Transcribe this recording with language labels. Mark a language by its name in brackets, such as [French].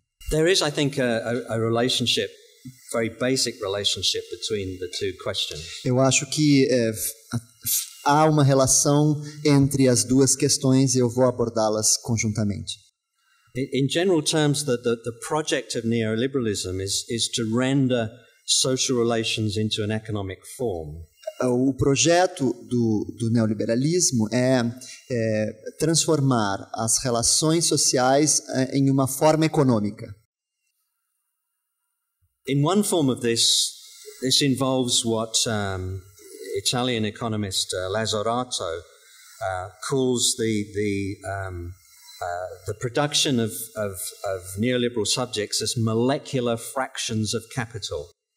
[English] There is, I think, a relationship, very basic relationship between the two questions. [Portuguese] Eu acho que há uma relação entre as duas questões e eu vou abordá-las conjuntamente. [English] In general terms, the project of neoliberalism is to render social relations into an economic form. [Portuguese] O projeto do neoliberalismo é transformar as relações sociais em uma forma econômica. [English] In one form of this involves what Italian economist Lazzarato calls the production of neoliberal subjects as molecular fractions of capital.